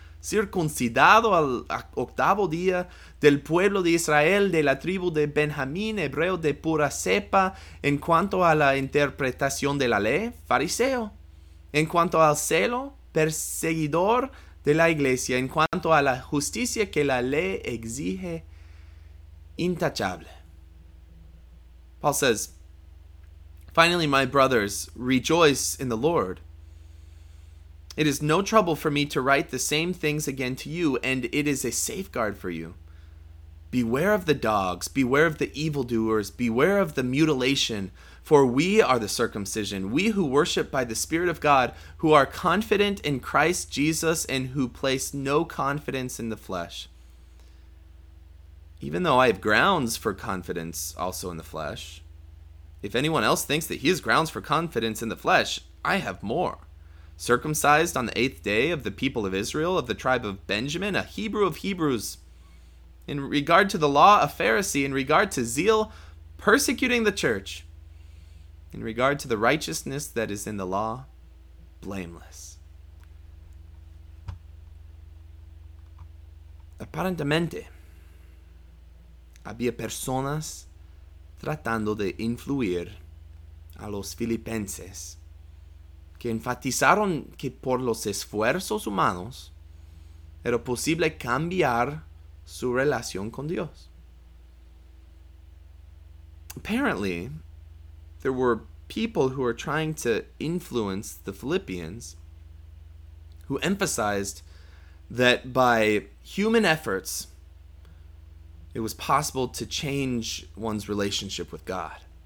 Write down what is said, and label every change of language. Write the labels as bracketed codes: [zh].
[es] Circuncidado al octavo día, del pueblo de Israel, de la tribu de Benjamín, hebreo de pura cepa, en cuanto a la interpretación de la ley, fariseo. En cuanto al celo, perseguidor de la iglesia. En cuanto a la justicia que la ley exige, intachable. [en] Paul says, Finally, my brothers, rejoice in the Lord. It is no trouble for me to write the same things again to you, and it is a safeguard for you. Beware of the dogs, beware of the evildoers, beware of the mutilation, for we are the circumcision, we who worship by the Spirit of God, who are confident in Christ Jesus and who place no confidence in the flesh. Even though I have grounds for confidence also in the flesh, if anyone else thinks that he has grounds for confidence in the flesh, I have more. Circumcised on the eighth day of the people of Israel, of the tribe of Benjamin, a Hebrew of Hebrews. In regard to the law, a Pharisee. In regard to zeal, persecuting the church. In regard to the righteousness that is in the law, blameless. [es] Aparentemente, había personas tratando de influir a los filipenses, que enfatizaron que por los esfuerzos humanos era posible cambiar su relación con Dios. [en] Apparently, there were people who were trying to influence the Philippians who emphasized that by human efforts, it was possible to change one's relationship with God.